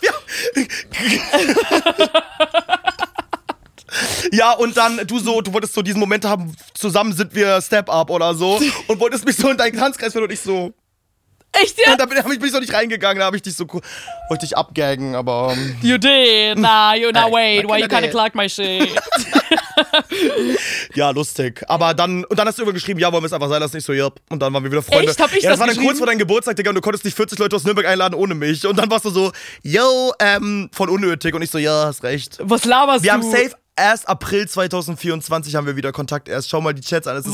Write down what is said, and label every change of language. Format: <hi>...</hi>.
<de>Ja, ja, und dann du wolltest so diesen Moment haben, zusammen sind wir Step Up oder so und wolltest mich so in deinen Tanzkreis führen und ich so. Echt, ja? Und da bin ich so nicht reingegangen, da habe ich dich so, wollte dich abgaggen, aber.</de> <en>You did, nah, you're not, wait, why you kinda clock my shit?</en> <de>Ja, lustig. Aber dann, und dann hast du immer geschrieben, ja, wollen wir es einfach sein lassen, nicht so, yep. Und dann waren wir wieder Freunde. Echt? Hab ich ja, das war dann kurz vor deinem Geburtstag, Digga, und du konntest nicht 40 Leute aus Nürnberg einladen ohne mich. Und dann warst du so, yo, voll unnötig. Und ich so, ja, hast recht. Was laberst wir du? Wir haben safe erst April 2024 haben wir wieder Kontakt erst. Schau mal die Chats an, es ist</de>